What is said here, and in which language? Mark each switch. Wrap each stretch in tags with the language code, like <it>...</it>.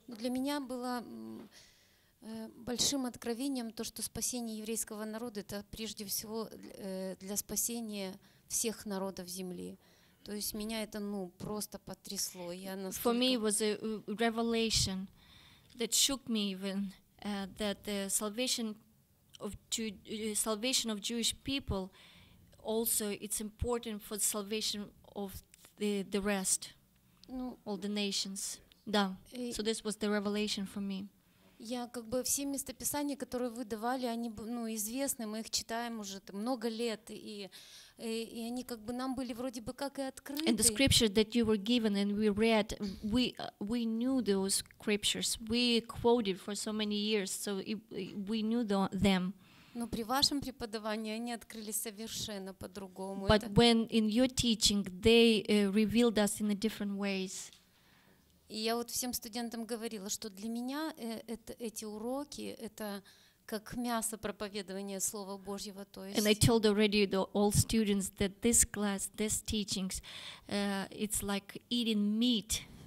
<ru>Для меня было большим откровением то, что спасение еврейского народа — это прежде всего для спасения всех народов земли. То есть меня это, ну, просто потрясло. Я настолько...</ru> <en>For me it was a revelation that shook me even, that the salvation of salvation of Jewish people also it's important for the salvation of the rest, ну, all the nations. Да. Yes. So this was the revelation for me.</en> <ru>Я как бы все местописания, которые вы давали, они, ну, известны, мы их читаем уже много лет, и они как бы нам были вроде бы как и открыты.</ru> <en>And the scriptures that you were given and we read, we knew those scriptures, we quoted for so many years, so we knew them.</en> <ru>Но при вашем преподавании они открылись совершенно по-другому.</ru> <en>But when in your teaching, they revealed us in a different ways.</en> <ru>И я вот всем студентам говорила, что для меня эти уроки — это как мясо проповедования Слова Божьего. То есть...</ru> <en>And I told already all students that this class, this teachings, it's like eating meat.</en>